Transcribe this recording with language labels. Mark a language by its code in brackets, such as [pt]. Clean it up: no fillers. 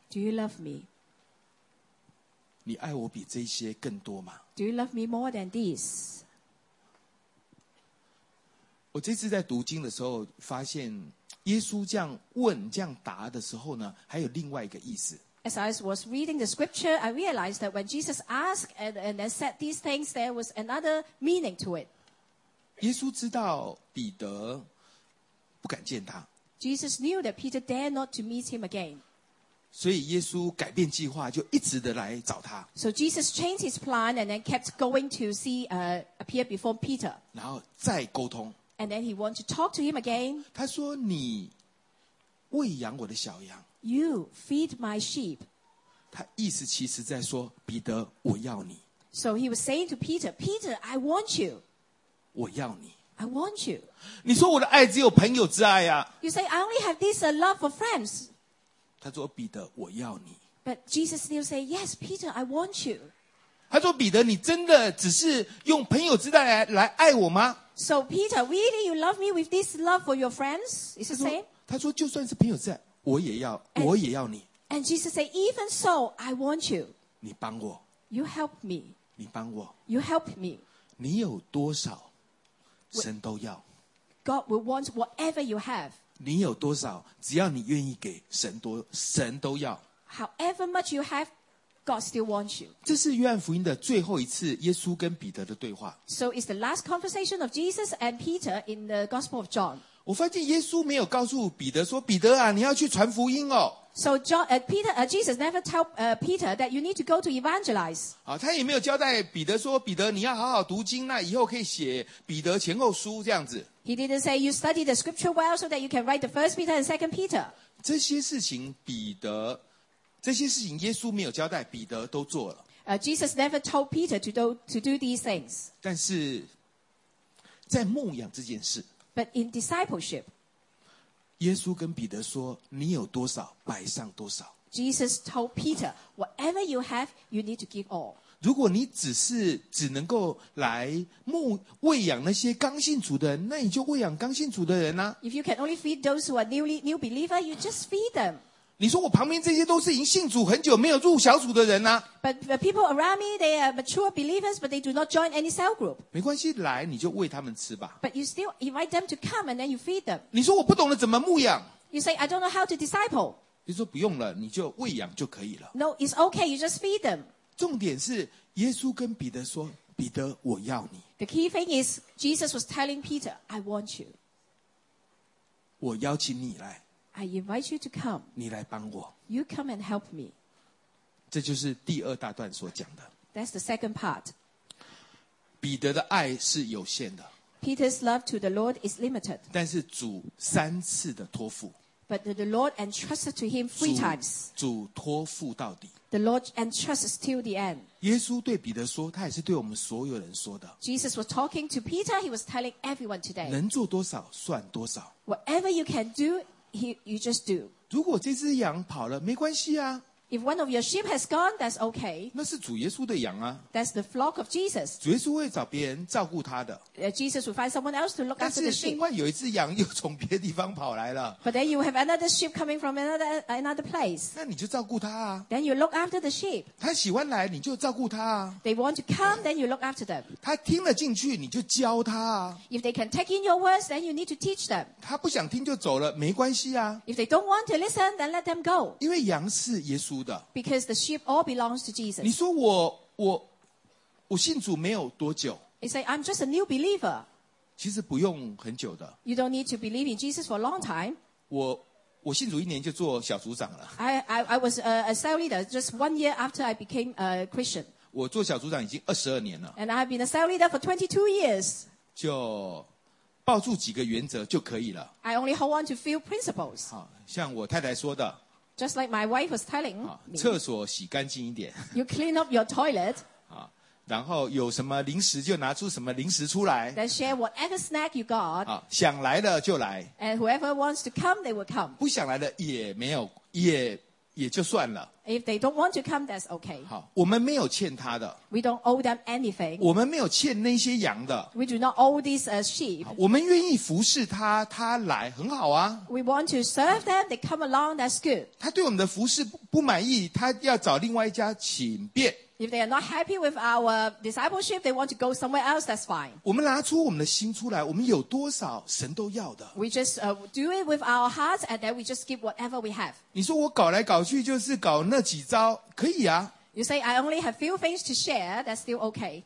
[en] ？Do you love me? [zh] 你爱我比这些更多吗 [en] ？Do you love me more than this? [zh] 我这次在读经的时候，发现耶稣这样问、这样答的时候呢，还有另外一个意思。 [en] As I was reading the scripture, I realized that when Jesus asked and then said these things, there was another meaning to it. [zh] 耶稣知道彼得不敢见他。 [en] Jesus knew that Peter dared not to meet him again. [zh] 所以耶稣改变计划就一直的来找他。 [en] So Jesus changed his plan and then kept going to see, appear before Peter. [zh] 然后再沟通。 [en] And then he wanted to talk to him again. [zh] 他说你喂养我的小羊。 [en] You feed my sheep. [zh] 他意思其实在说彼得我要你。 [en] So he was saying to Peter, Peter, I want you. [zh] 我要你。 [en] I want you. [zh] 你说我的爱只有朋友之爱啊。 [en] You say, I only have this love for friends. [zh] 他说彼得我要你。 [en] But Jesus still say, yes, Peter, I want you. [zh] 他说彼得你真的只是用朋友之爱 来爱我吗 [en] ?So Peter, really you love me with this love for your friends? It's the same? [zh] 他说就算是朋友之爱。我也要 [en] and, [zh] 我也要你。 [en] And Jesus said, even so, I want you. [zh] 你帮我。 [en] You help me. [zh] 你帮我。 [en] You help me. [zh] 你有多少神都要。 [en] God will want whatever you have. [zh] 你有多少只要你愿意给神多神都要。 [en] However much you have, God still wants you. [zh] 这是约翰福音的最后一次耶稣跟彼得的对话。 [en] So it's the last conversation of Jesus and Peter in the Gospel of John. [zh] 我发现耶稣没有告诉彼得说：“彼得啊，你要去传福音哦。” [en] So John, Peter, Jesus never tell Peter that you need to go to evangelize. [zh] 啊，他也没有交代彼得说：“彼得，你要好好读经，那以后可以写彼得前后书这样子。” [en] He didn't say you study the scripture well so that you can write the first Peter and second Peter. [zh] 这些事情彼得这些事情耶稣没有交代，彼得都做了。 [en] Jesus never told Peter to do these things. [zh] 但是在牧养这件事， [en] But in discipleship, [zh] 耶稣跟彼得说，你有多少，摆上多少。 [en] Jesus told Peter, whatever you have, you need to give all. [zh] 如果你只能够来牧喂养那些刚信主的人，那你就喂养刚信主的人啊。 [en] If you can only feed those who are new believer, you just feed them. [zh] 你说我旁边这些都是已经信主很久没有入小组的人啊。 [en] But the people around me, they are mature believers, but they do not join any cell group. [zh] 没关系，来你就喂他们吃吧。 [en] But you still invite them to come and then you feed them. [zh] 你说我不懂得怎么牧养。 [en] You say, I don't know how to disciple. [zh] 就说不用了，你就喂养就可以了。 [en] No, it's okay. You just feed them. [zh] 重点是耶稣跟彼得说：“彼得，我要你。” [en] The key thing is Jesus was telling Peter, "I want you." [zh] 我邀请你来。 [en] I invite you to come. [zh] 你来帮我。 [en] You come and help me. [zh] 这就是第二大段所讲的。 [en] That's the second part. [zh] 彼得的爱是有限的。 [en] Peter's love to the Lord is limited. [zh] 但是主三次的托付。 [en] But the Lord entrusted to him three times. [zh] 主托付到底。 [en] The Lord entrusts till the end. [zh] 耶稣对彼得说，他也是对我们所有人说的。 [en] Jesus was talking to Peter. He was telling everyone today. [zh] 能做多少算多少。 [en] Whatever you can do, you just do. [zh] 如果这只羊跑了，没关系啊。 [en] If one of your sheep has gone, that's okay. [zh] 那是主耶稣的羊啊。 [en] That's the flock of Jesus. [zh] 主耶稣会找别人照顾他的。 [en] Jesus will find someone else to look after the sheep. [zh] 但是另外有一只羊又从别的地方跑来了。 [en] But then you have another sheep coming from another place. [zh] 那你就照顾他啊。 [en] Then you look after the sheep. [zh] 他喜欢来，你就照顾他啊。 [en] They want to come, then you look after them. [zh] 他听了进去，你就教他啊。 [en] If they can take in your words, then you need to teach them. [zh] 他不想听就走了，没关系啊。 [en] If they don't want to listen, then let them go. [zh] 因为羊是耶稣。 [en] Because the sheep all belongs to Jesus. [zh] 你说我信主没有多久。 [en] He said, I'm just a new believer. [zh] 其实不用很久的。 [en] You don't need to believe in Jesus for a long time. [zh] 我信主一年就做小组长了。 [en] I was a cell leader just one year after I became a Christian. [zh] 我做小组长已经22年了。 [en] And I've been a cell leader for 22 years. [zh] 就抱住几个原则就可以了。 [en] I only hold on to few principles. [zh] 好，像我太太说的。 [en] Just like my wife was telling me. [zh] 厕所洗干净一点。 [en] You clean up your toilet. [zh] 然后有什么零食就拿出什么零食出来。 [en] Then share whatever snack you got. [zh] 想来的就来。 [en] And whoever wants to come, they will come. [zh] 不想来的也没有，也就算了。 [en] If they don't want to come, that's okay. [zh] 我们没有欠他的。 [en] We don't owe them anything. [zh] 我们没有欠那些羊的。 [en] We do not owe these sheep. [zh] 我们愿意服侍他，他来很好啊。 [en] We want to serve them, they come along, that's good. [zh] 他对我们的服侍不满意，他要找另外一家请便。 [en] If they are not happy with our discipleship, they want to go somewhere else, that's fine. [zh] 我们拿出我们的心出来，我们有多少神都要的。 [en] We just do it with our hearts and then we just give whatever we have. [zh] 你说我搞来搞去就是搞那几招，可以啊。 [en] You say, I only have few things to share, that's still okay.